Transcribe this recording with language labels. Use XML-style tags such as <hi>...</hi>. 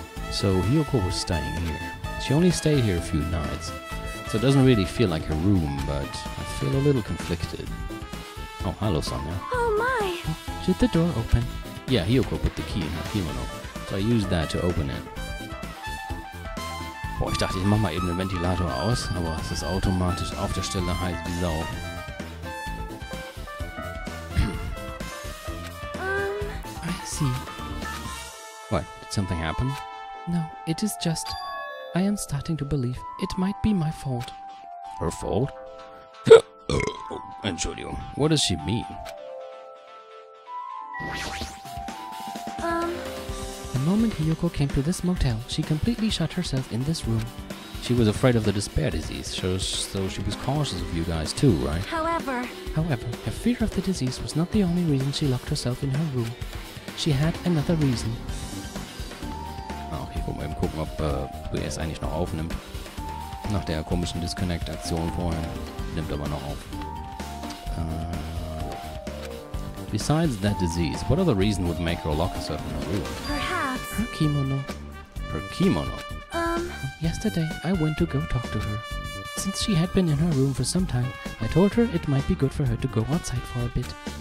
<en>So Hyoko was staying here. She only stayed here a few nights, so it doesn't really feel like her room, but I feel a little conflicted. Oh, hello, Sonya. Oh, my! Did the door open? Yeah, Hyoko put the key in her kimono, so I used that to open it.</en> <de>Boah, ich dachte, ich mach mal eben den Ventilator aus, aber es ist automatisch auf der Stelle heiß wie Sau.</de> <en>I see. What? Did something happen? No, it is just... I am starting to believe it might be my fault. Her fault?</en> <de>Entschuldigung.</de> <en>What does she mean? The moment Hyoko came to this motel, she completely shut herself in this room. She was afraid of the despair disease, so she was cautious of you guys too, right? However, her fear of the disease was not the only reason she locked herself in her room. She had another reason.</en> <de>Gucken, ob er es eigentlich noch aufnimmt. Nach der komischen Disconnect-Aktion vorhin. Nimmt aber noch auf.</de> <en>Besides that disease, what other reason would make her lock herself in a room? Perhaps... her kimono. Her kimono? Yesterday, I went to go talk to her. Since she had been in her room for some time, I told her it might be good for her to go outside for a bit.</en>